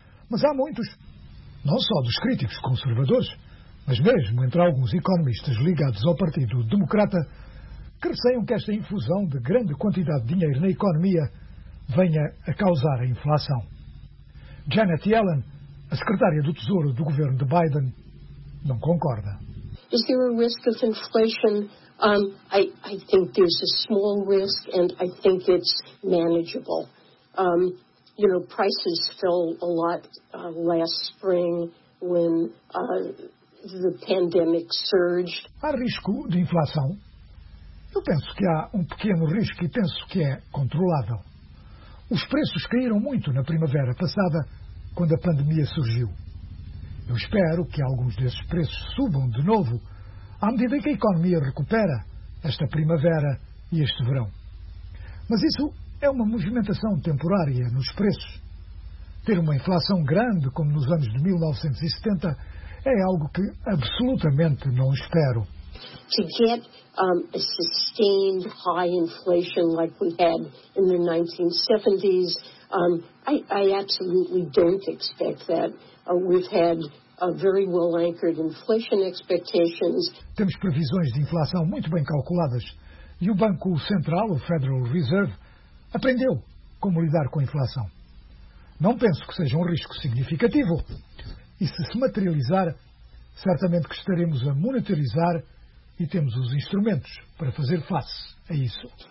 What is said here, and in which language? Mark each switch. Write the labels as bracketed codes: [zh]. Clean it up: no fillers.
[pt] Mas há muitos, não só dos críticos conservadores, mas mesmo entre alguns economistas ligados ao Partido Democrata, que receiam que esta infusão de grande quantidade de dinheiro na economia venha a causar a inflação. Janet Yellen, a secretária do Tesouro do governo de Biden, não concorda. [en] Is there a risk of inflation? I think there's a small risk and I think it's manageable. You know, prices fell a lot last spring when the pandemic surged. [pt] Há risco de inflação? Eu penso que há um pequeno risco e penso que é controlável. Os preços caíram muito na primavera passada, quando a pandemia surgiu. Eu espero que alguns desses preços subam de novo à medida que a economia recupera esta primavera e este verão. Mas isso é uma movimentação temporária nos preços. Ter uma inflação grande como nos anos de 1970 é algo que absolutamente não espero. [en] To get a sustained high inflation like we had in the 1970s, I absolutely don't expect that. We've had a very well-anchored inflation expectations. [pt] Temos previsões de inflação muito bem calculadas e o Banco Central, o Federal Reserve, aprendeu como lidar com a inflação. Não penso que seja um risco significativo e, se se materializar, certamente que estaremos a monetarizar e temos os instrumentos para fazer face a isso.